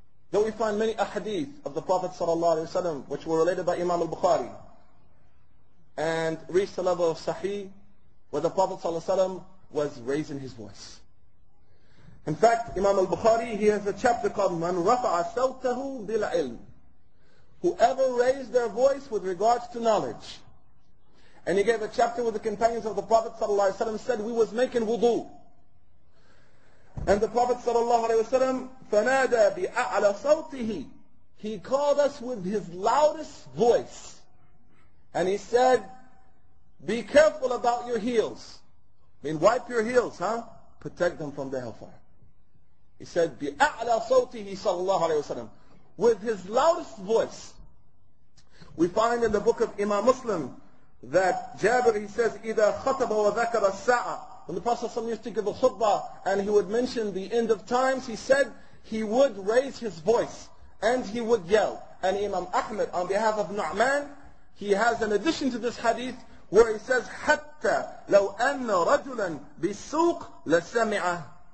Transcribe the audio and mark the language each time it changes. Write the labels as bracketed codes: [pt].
[en] Then we find many ahadith of the Prophet ﷺ, which were related by Imam al-Bukhari, and reached the level of sahih, where the Prophet ﷺ was raising his voice. In fact, Imam al-Bukhari, he has a chapter called, Man rafa'a sawtahu bil ilm. Whoever raised their voice with regards to knowledge. And he gave a chapter with the companions of the Prophet ﷺ, said, we was making wudu. And the Prophet [ar] ﷺ, فَنَادَى بِأَعْلَى صَوْتِهِ. [en] He called us with his loudest voice. And he said, be careful about your heels. I mean, wipe your heels, huh? Protect them from the hellfire. He said, [ar] بِأَعْلَى صَوْتِهِ صَلَى اللَّهُ عَلَيْهِ وَسَلَمْ. [en] With his loudest voice. We find in the book of Imam Muslim that Jabir, he says, [ar] إِذَا خَطَبَ وَذَكَرَ السَّاعَةَ. [en] When the Prophet ﷺ used to give a khutbah and he would mention the end of times, he said he would raise his voice and he would yell. And Imam Ahmed, on behalf of Nu'man, he has an addition to this hadith where he says, [ar] حَتَّى لَوْ أَنَّ رَجُلًا بِالسُّوقِ لَسَمِعَهُ.